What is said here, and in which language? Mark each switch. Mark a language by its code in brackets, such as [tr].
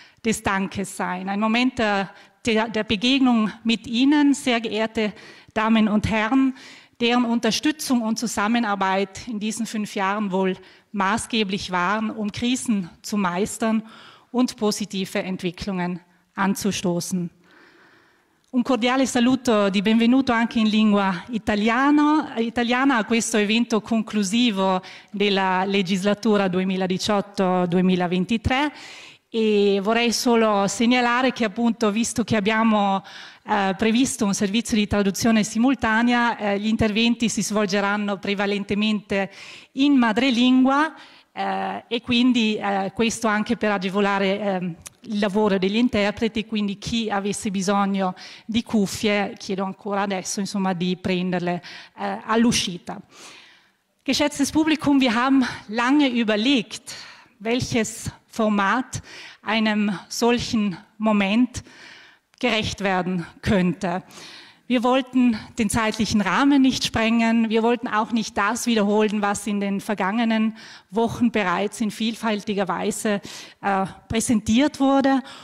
[de] des Dankes sein, ein Moment der Begegnung mit Ihnen, sehr geehrte Damen und Herren, deren Unterstützung und Zusammenarbeit in diesen 5 Jahren wohl maßgeblich waren, um Krisen zu meistern und positive Entwicklungen anzustoßen. [it] Un cordiale saluto di benvenuto anche in lingua italiana a questo evento conclusivo della legislatura 2018-2023 e vorrei solo segnalare che appunto visto che abbiamo previsto un servizio di traduzione simultanea gli interventi si svolgeranno prevalentemente in madrelingua e quindi questo anche per agevolare il lavoro degli interpreti, quindi chi avesse bisogno di cuffie, chiedo ancora adesso, insomma, di prenderle all'uscita. [de] Geschätztes Publikum, wir haben lange überlegt, welches Format einem solchen Moment gerecht werden könnte. Wir wollten den zeitlichen Rahmen nicht sprengen, wir wollten auch nicht das wiederholen, was in den vergangenen Wochen bereits in vielfältiger Weise präsentiert wurde.